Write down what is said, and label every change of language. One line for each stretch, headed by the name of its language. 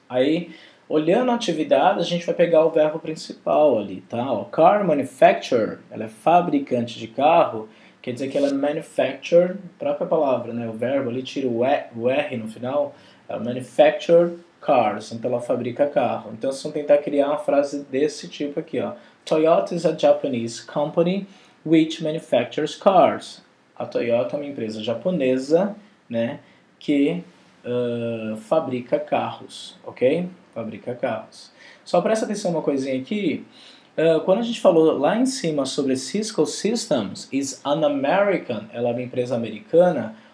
Portuguese: Aí, olhando a atividade, a gente vai pegar o verbo principal ali, tá? O car manufacturer, ela é fabricante de carro, quer dizer que ela é manufacturer, própria palavra, né? O verbo ali tira o R no final, é manufacturer. Cars, então ela fabrica carro. Então vocês vão tentar criar uma frase desse tipo aqui, ó.
English: Toyota is a Japanese company which manufactures cars.
Portuguese: A Toyota é uma empresa japonesa, né, que fabrica carros, ok? Fabrica carros. Só presta atenção uma coisinha aqui. Quando a gente falou lá em cima sobre Cisco Systems,
English: is an American,
Portuguese: ela é uma empresa americana.